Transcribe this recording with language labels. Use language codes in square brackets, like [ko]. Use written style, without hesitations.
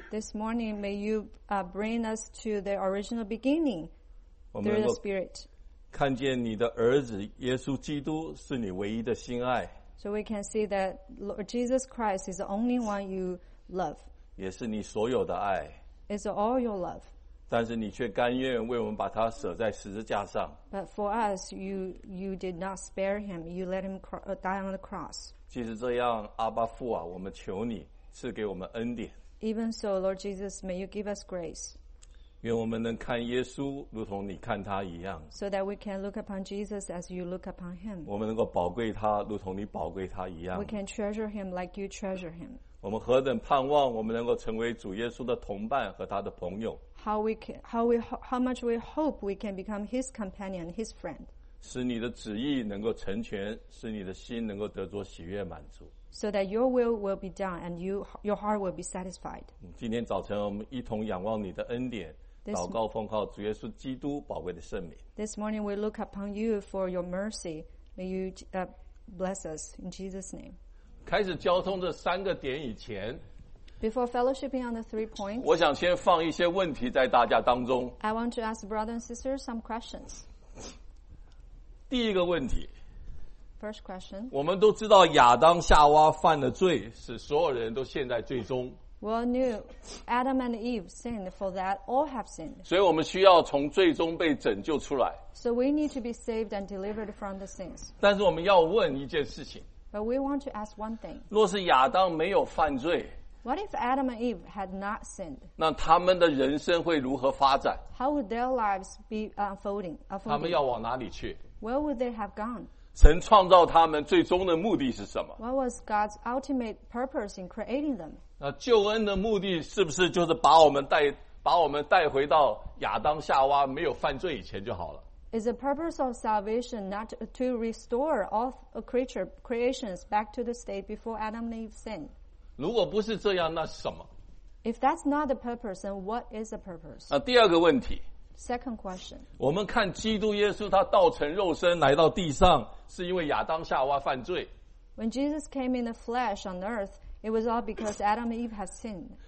[en] This morning, may you bring us to the original beginning through the Spirit. [zh] 看见你的儿子耶稣基督是你唯一的心爱。 [en] So we can see that Lord Jesus Christ is the only one you love. [zh] 也是你所有的爱。 [en] It's all your love. [zh] 但是你却甘愿为我们把他舍在十字架上。 [en] But for us, you did not spare him. You let him die on the cross. [zh] 即使这样，阿爸父啊，我们求你赐给我们恩典。 [en] Even so, Lord Jesus, may you give us grace. [zh] 愿我们能看耶稣如同你看他一样。 [en] So that we can look upon Jesus as you look upon him. [zh] 我们能够宝贵他如同你宝贵他一样。 [en] We can treasure him like you treasure him. [zh] 我们何等盼望我们能够成为主耶稣的同伴和他的朋友。 [en] How much we hope we can become his companion, his friend. [zh] 使你的旨意能够成全，使你的心能够得着喜悦满足。 [en] So that your will be done and your heart will be satisfied. [zh] 今天早晨我们一同仰望你的恩典。祷告奉靠主耶稣基督宝贵的圣名。 [en] This morning we look upon you for your mercy. May you bless us in Jesus' name. [zh] 开始交通这三个点以前， [en] Before fellowshipping on the 3 points, [zh] 我想先放一些问题在大家当中。 [en] I want to ask brothers and sisters some questions. [zh] 第一个问题， [en] First question. [zh] 我们都知道亚当夏娃犯了罪，使所有人都陷在罪中。 [en] Well, no, Adam and Eve sinned, for that all have sinned. [zh] 所以我们需要从罪中被拯救出来。 [en] So we need to be saved and delivered from the sins. [zh] 但是我们要问一件事情。 [en] But we want to ask one thing. [zh] 若是亚当没有犯罪。 [en] What if Adam and Eve had not sinned? [zh] 那他们的人生会如何发展? [en] How would their lives be unfolding? [zh] 他们要往哪里去? [en] Where would they have gone? [zh] 神创造他们最终的目的是什么? [en] What was God's ultimate purpose in creating them? [zh] 那救恩的目的是不是就是把我们带回到亚当夏娃没有犯罪以前就好了? [en] Is the purpose of salvation not to restore all a creature, creations back to the state before Adam and Eve sinned? [zh] 如果不是这样，那是什么? [en] If that's not the purpose, then what is the purpose? [zh] 第二个问题。 [en] Second question. [zh] 我们看基督耶稣他道成肉身来到地上，是因为亚当夏娃犯罪。 [en] When Jesus came in the flesh on earth, it was all because Adam and Eve had sinned.